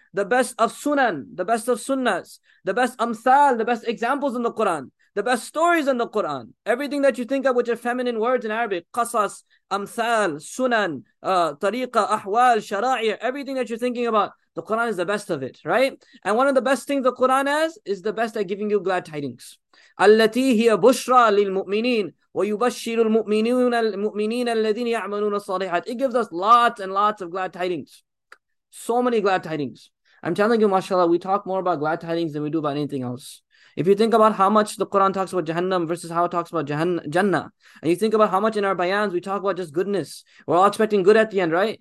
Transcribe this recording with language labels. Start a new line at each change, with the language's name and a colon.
English: the best of sunan, the best of sunnas, the best amthal, the best examples in the Quran, the best stories in the Quran. Everything that you think of which are feminine words in Arabic, qasas, amthal, sunan, tariqa, ahwal, shara'ir, everything that you're thinking about, the Quran is the best of it, right? And one of the best things the Quran has is the best at giving you glad tidings.
Arabic: التي هي بشرى للمؤمنين ويبشر المؤمنين الذين يعملون الصالحات.
English: It gives us lots and lots of glad tidings. So many glad tidings. I'm telling you, mashallah, we talk more about glad tidings than we do about anything else. If you think about how much the Quran talks about Jahannam versus how it talks about Jannah, and you think about how much in our bayans we talk about just goodness, we're all expecting good at the end, right?